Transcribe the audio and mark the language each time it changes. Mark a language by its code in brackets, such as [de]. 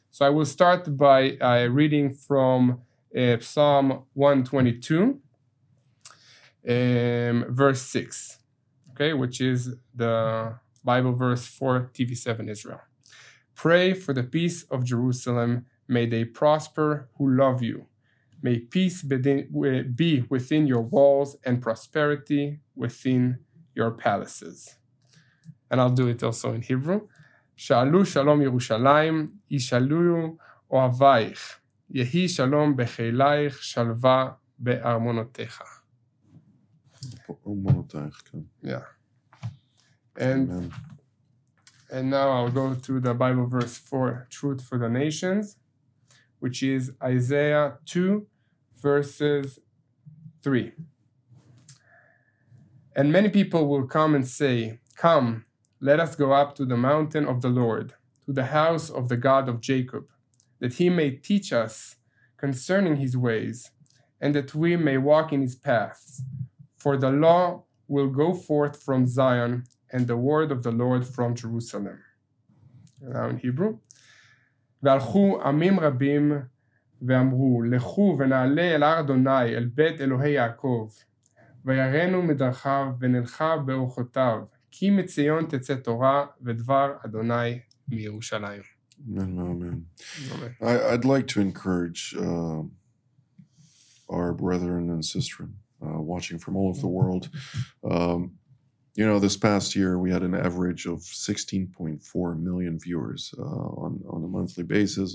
[en] So I will start by reading from Psalm 122, verse 6, okay, which is the Bible verse for TV7 Israel. Pray for the peace of Jerusalem. May they prosper who love you. May peace be within your walls and prosperity within your palaces. And I'll do it also in Hebrew. [he] שאלו שלום ירושלים, ישאלו אוהבייך, יהי שלום בחיליך, שלווה בארמונותיך. ארמונותיך, כן. [en] Yeah. And now I'll go to the Bible verse for Truth for the Nations, which is Isaiah 2, verses 3. And many people will come and say, come, let us go up to the mountain of the Lord, to the house of the God of Jacob, that he may teach us concerning his ways, and that we may walk in his paths. For the law will go forth from Zion, and the word of the Lord from Jerusalem. Now in Hebrew. [he] והלכו עמים רבים ואמרו, לכו ונעלה אל הר אדוני, אל בית אלוהי יעקב, ויראנו מדרכיו ונלכה באורחותיו, כי מציון תצא תורה ודבר אדוני מירושלים. [en] Amen, amen. I'd like to encourage our brethren and sisters watching from all over the world. You know, this past year we had an average of 16.4 million viewers on a monthly basis.